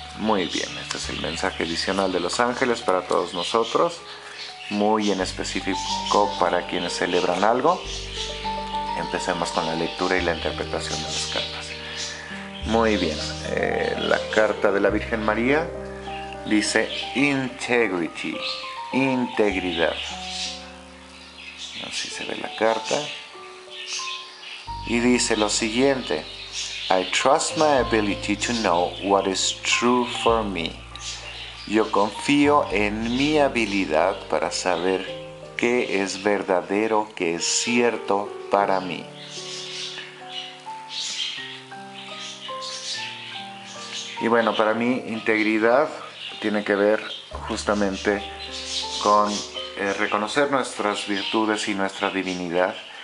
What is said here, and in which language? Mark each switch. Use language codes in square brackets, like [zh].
[es] Muy bien, este es el mensaje adicional de Los Ángeles para todos nosotros, muy en específico para quienes celebran algo. Empecemos con la lectura y la interpretación de las cartas. Muy bien, la carta de la Virgen María dice integrity, integridad. Así se ve la carta. Y dice lo siguiente: [en] I trust my ability to know what is true for me. [es] Yo confío en mi habilidad para saber qué es verdadero, qué es cierto para mí. Y bueno, para mí integridad tiene que ver justamente con reconocer nuestras virtudes y nuestra divinidad.